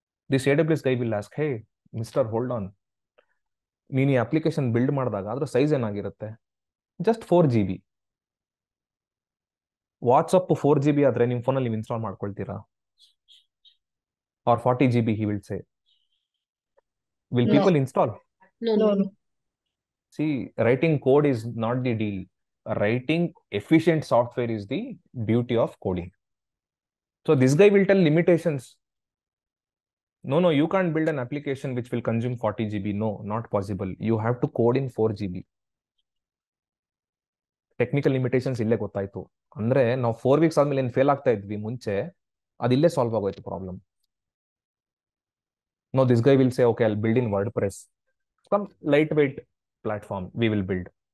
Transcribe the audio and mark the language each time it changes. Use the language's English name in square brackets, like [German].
[English] this A W S guy will ask, hey mister hold on, [Kannada] ನೀನು ಈ application build ಮಾಡಿದಾಗ ಅದರ size ಏನಾಗಿರುತ್ತೆ? [English] Just 4 GB. [Kannada] ವಾಟ್ಸಪ್ 4 GB ಆದರೆ ನಿಮ್ಮ ಫೋನಲ್ಲಿ ನೀವು install ಮಾಡ್ಕೊಳ್ತೀರಾ? R 40 GB? [English] He will say, will people install? See, writing code is not the deal. Writing efficient software is the beauty of coding. So this guy will tell limitations. No, you can't build an application which will consume 40 GB. No, not possible. You have to code in 4 GB. [Kannada] Technical limitations ಇಲ್ಲೇ ಗೊತ್ತಾಯಿತು ಅಂದರೆ ನಾವು 4 weeks ಆದಮೇಲೆ ಏನು fail ಆಗ್ತಾ ಇದ್ವಿ ಮುಂಚೆ ಅದಿಲ್ಲೇ solve ಆಗೋಯ್ತು problem [English] no this guy will say okay I will build in WordPress some lightweight platform we will build